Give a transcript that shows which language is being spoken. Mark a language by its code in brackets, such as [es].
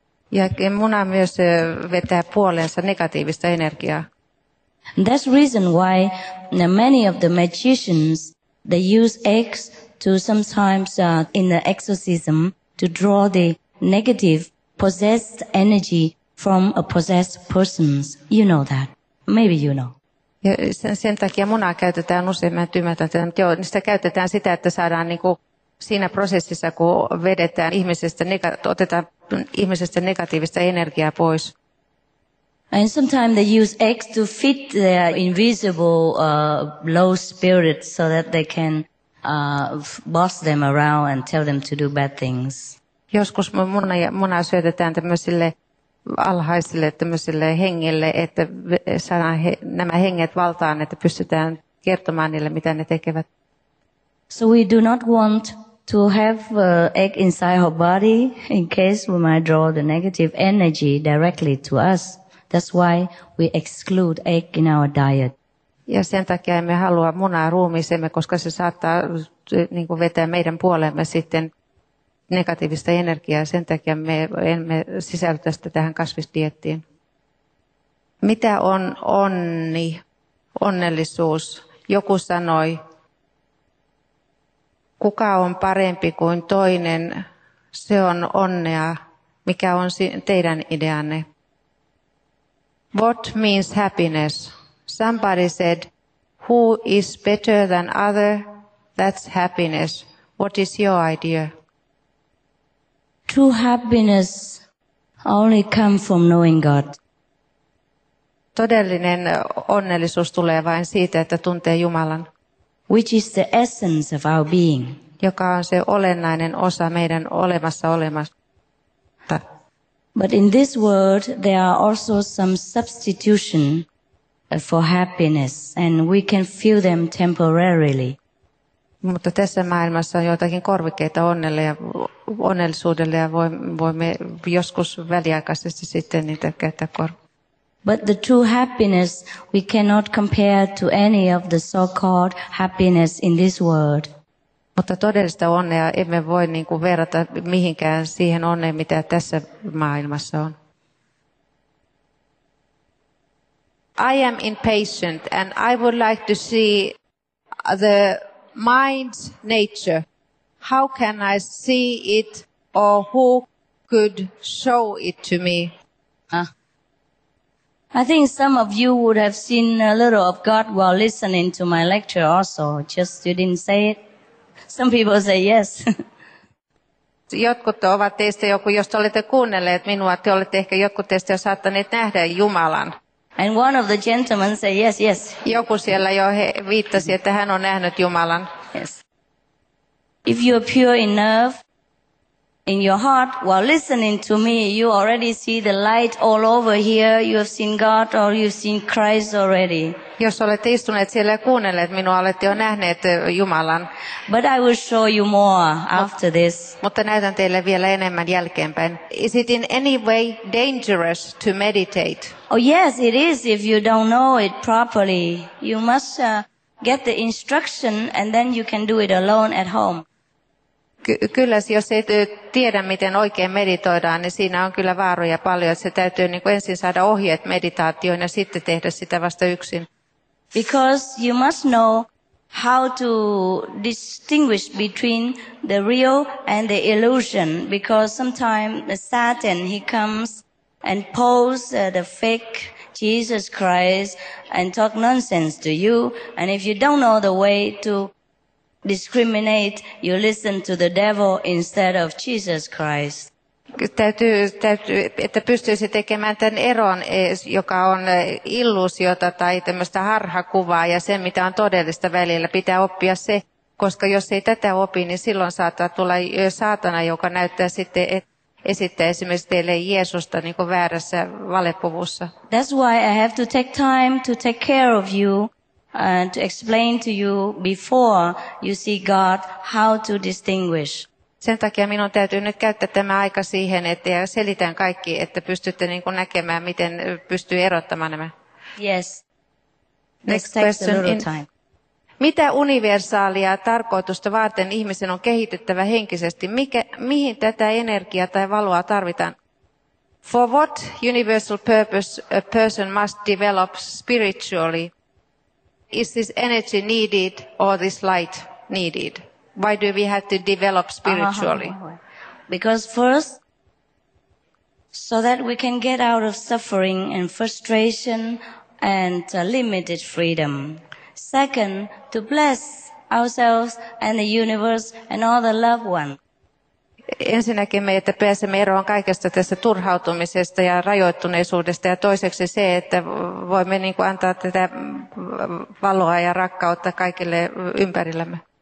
[fi] Ja muna myös vetää puoleensa negatiivista energiaa. [en] That's reason why many of the magicians, they use eggs to sometimes in the exorcism to draw the negative possessed energy from a possessed person. You know that. Maybe you know. [fi] Ja sen takia munaa käytetään usein, mä ymmärtän tämän, mutta joo, niin sitä käytetään sitä, että saadaan niin kuin siinä prosessissa, kun vedetään ihmisestä, otetaan ihmisestä negatiivista energiaa pois. [en] And sometimes they use eggs to feed their invisible low spirits so that they can boss them around and tell them to do bad things. [fi] Joskus munaa syötetään tämmöisille alhaisille, tämmöisille hengille, että saadaan nämä henget valtaan, että pystytään kertomaan niille, mitä ne tekevät. [en] So we do not want to have egg inside our body in case we might draw the negative energy directly to us. That's why we exclude egg in our diet. [fi] Ja sen takia emme halua munaa ruumiisemme, koska se saattaa niin kuin vetää meidän puoleemme sitten negatiivista energiaa. Sen takia me emme sisällytä sitä tähän kasvisdiettiin. Mitä on onni, onnellisuus? Joku sanoi, kuka on parempi kuin toinen, se on onnea. Mikä on teidän ideanne? [en] What means happiness? Somebody said, who is better than other, that's happiness. What is your idea? True happiness only comes from knowing God. [fi] Todellinen onnellisuus tulee vain siitä, että tuntee Jumalan. [en] Which is the essence of our being. [fi] Joka on se olennainen osa meidän olemassa olemasta. [en] But in this world there are also some substitution for happiness and we can feel them temporarily. [fi] Mutta tässä maailmassa on joitakin korvikkeita onnelle ja onnellisuudelle ja voimme joskus väliaikaisesti sitten niitä käyttää [en] But the true happiness we cannot compare to any of the so-called happiness in this world. [fi] Mutta todellista onnea emme voi niin kuin verrata mihinkään siihen onneen, mitä tässä maailmassa on. [en] I am impatient and I would like to see the mind's nature. How can I see it or who could show it to me? I think some of you would have seen a little of God while listening to my lecture also. Just you didn't say it. Some people say yes. [fi] Jotkut ovat teistä joku, jos te olette kuunnelleet minua, te olette ehkä jotkut teistä jo saattaneet nähdä Jumalan. [en] And one of the gentlemen said yes, yes. [fi] Joku siellä jo viittasi, että hän on nähnyt Jumalan. [en] Yes. If you are pure enough in your heart while listening to me, you already see the light all over here. You have seen God or you've seen Christ already. [fi] Jos olette istuneet siellä ja kuunnelleet minua, olette jo nähneet Jumalan. [en] But I will show you more after this. [fi] Mutta näytän teille vielä enemmän jälkeenpäin. [en] Is it in any way dangerous to meditate? Oh yes, it is if you don't know it properly. You must get the instruction and then you can do it alone at home. [fi] Kyllä, jos ei tiedä, miten oikein meditoidaan, niin siinä on kyllä vaaroja paljon. Se täytyy niin kuin ensin saada ohjeet meditaatioon ja sitten tehdä sitä vasta yksin. [en] Because you must know how to distinguish between the real and the illusion. Because sometimes Satan, he comes and pose the fake Jesus Christ and talk nonsense to you. And if you don't know the way to discriminate, you listen to the devil instead of Jesus Christ. [fi] Täytyy, että pystyisi tekemään tämän eron, joka on illuusiota tai tämmöistä harhakuvaa ja sen, mitä on todellista välillä. Pitää oppia se, koska jos ei tätä opi, niin silloin saattaa tulla saatana, joka näyttää sitten, että esittää esimerkiksi teille Jeesusta niin kuin väärässä valepuvussa. [en] That's why I have to take time to take care of you. And to explain to you before you see God how to distinguish. [fi] Sen takia minun täytyy nyt käyttää tämä aika siihen, että selitän kaikki, että pystytte niin kuin näkemään, miten pystyy erottamaan nämä. [en] Yes. Next question. [fi] Mitä universaalia tarkoitusta varten ihmisen on kehitettävä henkisesti? Mihin tätä energiaa tai valoa tarvitaan? [en] For what universal purpose a person must develop spiritually? Is this energy needed or this light needed? Why do we have to develop spiritually? Because first, so that we can get out of suffering and frustration and limited freedom. Second, to bless ourselves and the universe and all the loved ones. [fi] Ensinnäkin me, että pääsemme eroon kaikesta tästä turhautumisesta ja rajoittuneisuudesta ja toiseksi se, että voimme niin kuin antaa tätä valoa ja rakkautta kaikille ympärillämme.